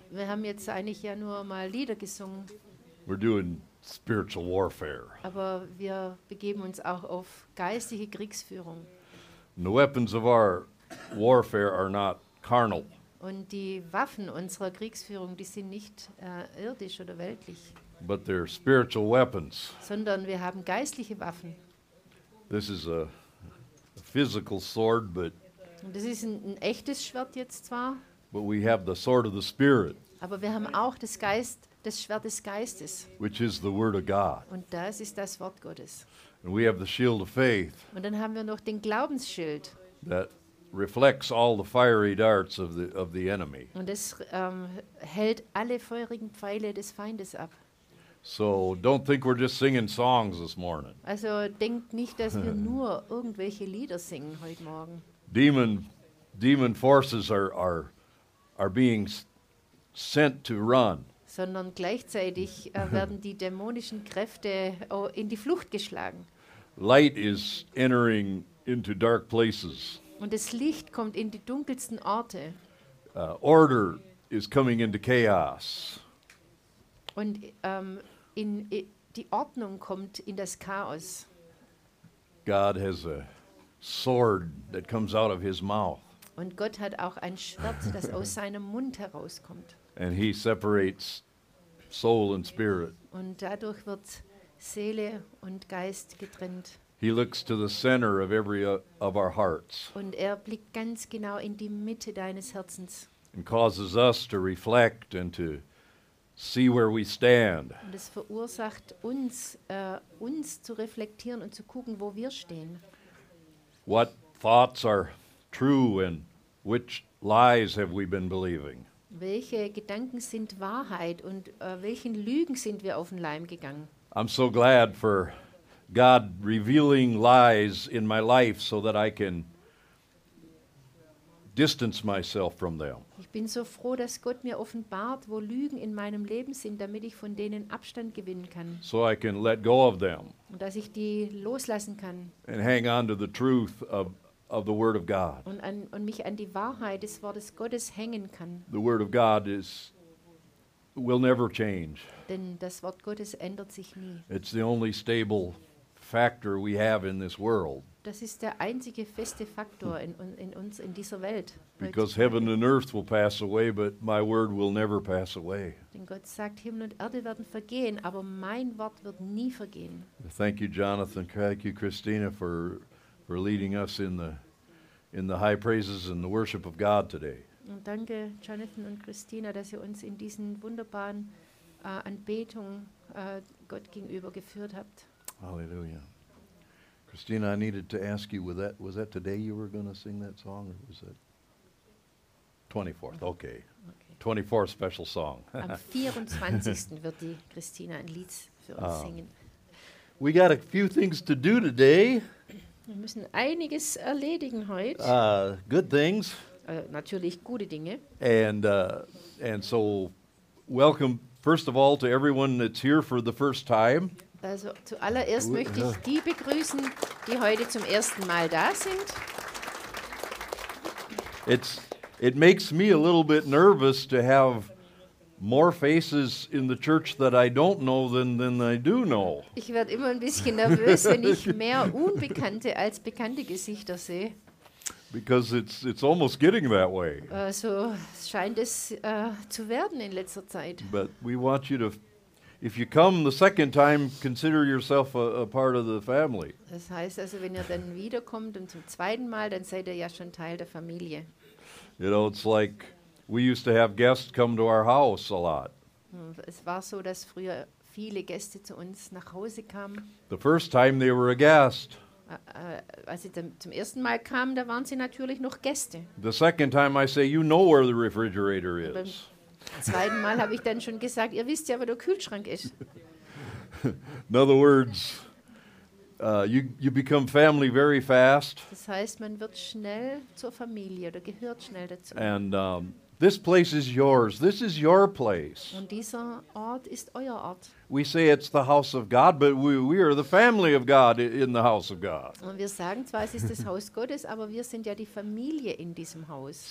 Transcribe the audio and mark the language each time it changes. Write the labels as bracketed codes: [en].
[de] Wir haben jetzt eigentlich ja nur mal Lieder gesungen. [en] We're doing spiritual warfare. [de] Aber wir begeben uns auch auf geistige Kriegsführung. [en] And the weapons of our warfare are not carnal. [de] Und die Waffen unserer Kriegsführung, die sind nicht irdisch oder weltlich. [en] But they're spiritual weapons. [de] Sondern wir haben geistliche Waffen. [en] This is a physical sword, but. [de] Und das ist ein echtes Schwert jetzt zwar. [en] But we have the sword of the Spirit. [de] Aber wir haben auch das Geist, das Schwert des Geistes. [en] Which is the Word of God. [de] Und das ist das Wort Gottes. [en] And we have the shield of faith. [de] Und dann haben wir noch den Glaubensschild. [en] That reflects all the fiery darts of the enemy. [de] Und es hält alle feurigen Pfeile des Feindes ab. [en] So don't think we're just singing songs this morning. [de] Also denkt nicht, dass wir nur irgendwelche Lieder singen heute Morgen. [en] Demon forces are being sent to run. [de] Sondern gleichzeitig werden die dämonischen Kräfte in die Flucht geschlagen. [en] Light is entering into dark places. [de] Und das Licht kommt in die dunkelsten Orte. [en] Order is coming into chaos. [de] Und die Ordnung kommt in das Chaos. [en] God has a sword that comes out of his mouth. [de] Und Gott hat auch ein Schwert, das aus seinem Mund herauskommt. [en] And he separates soul and spirit. [de] Und dadurch wird Seele und Geist getrennt. [en] He looks to the center of every of our hearts. [de] Und blickt ganz genau in die Mitte deines Herzens. [en] And causes us to reflect and to see where we stand. [de] Und es verursacht uns, uns zu reflektieren und zu gucken, wo wir stehen. [en] What thoughts are true and which lies have we been believing? [de] Welche Gedanken sind Wahrheit und welchen Lügen sind wir auf den Leim gegangen? [en] I'm so glad for God revealing lies in my life so that I can distance myself from them. [de] Ich bin so froh, dass Gott mir offenbart, wo Lügen in meinem Leben sind, damit ich von denen Abstand gewinnen kann. [en] So I can let go of them. [de] Und dass ich die loslassen kann. [en] And hang on to the truth of the Word of God. [de] Und mich an die Wahrheit des Wortes Gottes hängen kann. [en] The Word of God will never change. [de] Denn das Wort Gottes ändert sich nie. [en] It's the only stable factor we have in this world. [de] Das ist der einzige feste Faktor in uns in dieser Welt. [en] Because heaven and earth will pass away, but my word will never pass away. [de] Denn Gott sagt, Himmel und Erde werden vergehen, aber mein Wort wird nie vergehen. [en] Thank you, Jonathan. Thank you, Christina, for leading us in the high praises and the worship of God today. [de] Und danke, Jonathan und Christina, dass ihr uns in diesen wunderbaren Anbetung Gott gegenüber geführt habt. Hallelujah. [en] Christina, I needed to ask you, was that today you were going to sing that song, or was it 24th? Okay. 24th special song. [de] Am 24. wird die Christina ein Lied für uns singen. [en] We got a few things to do today. [de] Wir müssen einiges erledigen heute. [en] Good things. [de] Natürlich gute Dinge. [en] And so, welcome, first of all, to everyone that's here for the first time. [de] Also zuallererst möchte ich die begrüßen, die heute zum ersten Mal da sind. [en] It makes me a little bit nervous to have more faces in the church that I don't know than I do know. [de] Ich werde immer ein bisschen nervös, wenn ich mehr Unbekannte als bekannte Gesichter sehe. [en] Because it's almost getting that way. [de] So scheint es zu werden in letzter Zeit. [en] But we want you to. If you come the second time, consider yourself a part of the family. [de] Das heißt also, wenn ihr dann wiederkommt und zum zweiten Mal, dann seid ihr ja schon Teil der Familie. [en] You know, it's like we used to have guests come to our house a lot. [de] Es war so, dass früher viele Gäste zu uns nach Hause kamen. [en] The first time they were a guest. [de] Als sie zum ersten Mal kamen, da waren sie natürlich noch Gäste. [en] The second time I say, you know where the refrigerator is. [de] Zweiten Mal habe ich dann schon gesagt, ihr wisst ja, wo der Kühlschrank ist. [en] In other words, You become family very fast. [de] Das heißt, man wird schnell zur Familie oder gehört schnell dazu. [en] And this place is yours. This is your place. [de] Und dieser Ort ist euer Ort. [en] We say it's the house of God, but we are the family of God in the house of God. [de] Und wir sagen zwar, es ist das Haus Gottes, aber wir sind ja die Familie in diesem Haus.